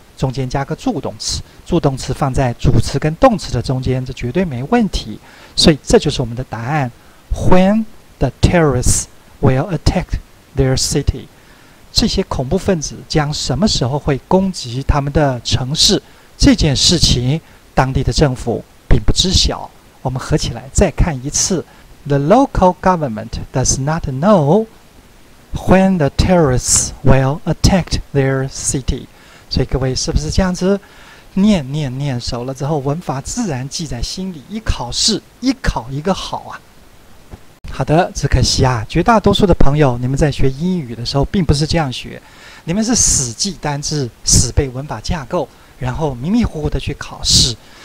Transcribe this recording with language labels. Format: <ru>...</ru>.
<zh>中间加个助动词，助动词放在主词跟动词的中间，这绝对没问题。所以这就是我们的答案 ： When the terrorists will attack their city，这些恐怖分子将什么时候会攻击他们的城市？这件事情当地的政府并不知晓。</zh> <en>我们合起来再看一次 ：The local government does not know when the terrorists will attack their city。</en> <zh>所以各位是不是这样子念念念熟了之后，文法自然记在心里，一考试一考一个好啊。好的，只可惜啊，绝大多数的朋友你们在学英语的时候并不是这样学，你们是死记单字，死背文法架构，然后迷迷糊糊的去考试。</zh>